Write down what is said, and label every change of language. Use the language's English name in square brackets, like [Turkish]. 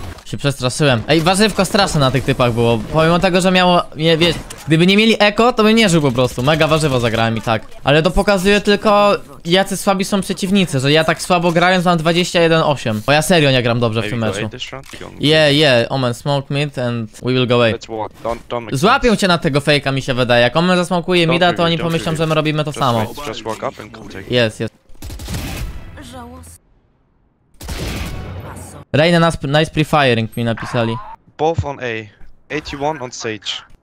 [Polish] Się przestraszyłem. Ej, warzywko straszne na tych typach było. Pomimo tego, że miało... Nie, wiesz, gdyby nie mieli eko, to bym nie żył po prostu. Mega warzywo zagrałem i tak. Ale to pokazuje tylko, jacy słabi są przeciwnicy. Że ja tak słabo grając mam 21-8. Bo ja serio nie gram dobrze w tym meczu. [English] Yeah. Omen, smoke mid and we will go away. [Polish] Złapią cię na tego fejka, mi się wydaje. Jak Omen zasmokuje mida, to oni pomyślą, że my robimy to samo. [English] Yes, yes. [Polish] Reyna nice pre-firing mi napisali. [English] Both on A. 81 on Sage.